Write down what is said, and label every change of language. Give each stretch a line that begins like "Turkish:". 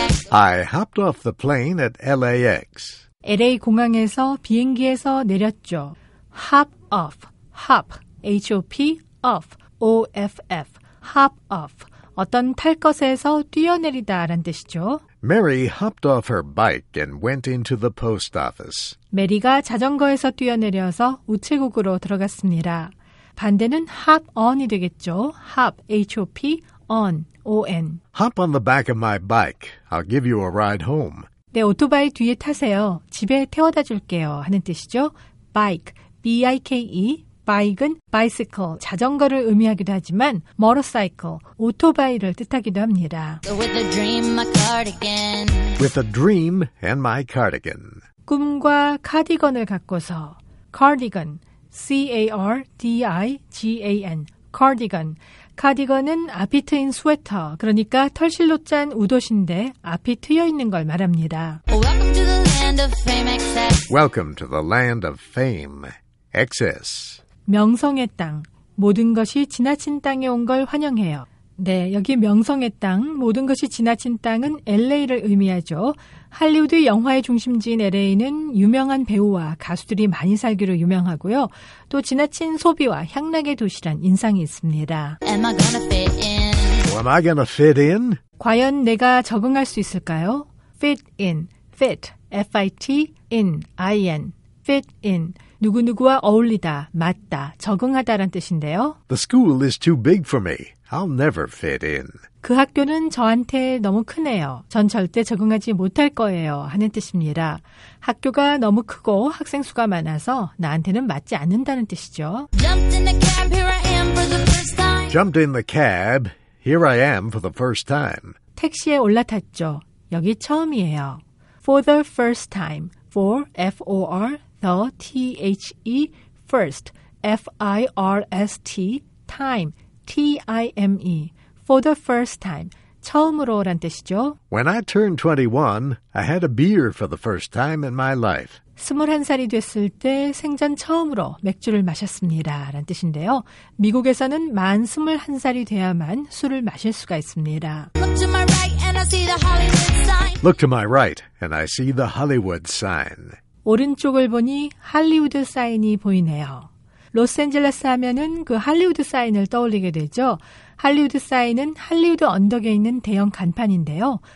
English: I hopped off the plane at LAX.
Korean: LA 공항에서 비행기에서 내렸죠.
English: Hop off, hop, H-O-P, off, O-F-F, hop off.
Korean: 어떤 탈 것에서 뛰어내리다란 뜻이죠.
English: Mary hopped off her bike and went into the post office.
Korean: 메리가 자전거에서 뛰어내려서 우체국으로 들어갔습니다. 반대는
English: hop on
Korean: 이 되겠죠.
English: Hop, H-O-P, on, O-N. Hop on the back of my bike. I'll give you a ride home.
Korean: 네, 오토바이 뒤에 타세요. 집에 태워다 줄게요. 하는 뜻이죠. Bike, B-I-K-E. Bike은 bicycle, 자전거를 의미하기도 하지만 motorcycle, 오토바이를 뜻하기도 합니다.
English: With a dream, my cardigan. With a dream and my cardigan.
Korean: 꿈과 카디건을 갖고서 cardigan.
English: C-A-R-D-I-G-A-N, cardigan.
Korean: 카디건은 앞이 트인 스웨터, 그러니까 털실로 짠 우도신데 앞이 트여 있는 걸 말합니다.
English: Welcome to the land of fame, excess. Welcome to the land of fame, excess.
Korean: 명성의 땅, 모든 것이 지나친 땅에 온 걸 환영해요. 네, 여기 명성의 땅, 모든 것이 지나친 땅은 LA를 의미하죠. 할리우드 영화의 중심지인 LA는 유명한 배우와 가수들이 많이 살기로 유명하고요. 또 지나친 소비와 향락의 도시란 인상이 있습니다.
English: Am I gonna fit in? Am I gonna fit in?
Korean: 과연 내가 적응할 수 있을까요?
English: Fit in, fit, F-I-T, in, I-N, fit in.
Korean: 누구누구와 어울리다, 맞다, 적응하다란 뜻인데요.
English: The school is too big for me. I'll never fit in.
Korean: 그 학교는 저한테 너무 크네요. 전 절대 적응하지 못할 거예요. 하는 뜻입니다. 학교가 너무 크고 학생 수가 많아서 나한테는 맞지 않는다는 뜻이죠.
English: Jumped in the cab, here I am for the first time. Jumped in the cab, here I am for the first time.
Korean: 택시에 올라탔죠. 여기 처음이에요.
English: For the first time. For, F-O-R, the, T-H-E, first, F-I-R-S-T, time, T-I-M-E, for the first time,
Korean: 처음으로란 뜻이죠.
English: When I turned 21, I had a beer for the first time in my life.
Korean: 21살이 됐을 때 생전 처음으로 맥주를 마셨습니다. 라는 뜻인데요. 미국에서는 만 21살이 되야만 술을 마실 수가 있습니다.
English: Look to my right and I see the Hollywood sign. Look to my right and I see the Hollywood sign.
Korean: 오른쪽을 보니 할리우드 사인이 보이네요. 로스앤젤레스 하면은 그 할리우드 사인을 떠올리게 되죠. 할리우드 사인은 할리우드 언덕에 있는 대형 간판인데요.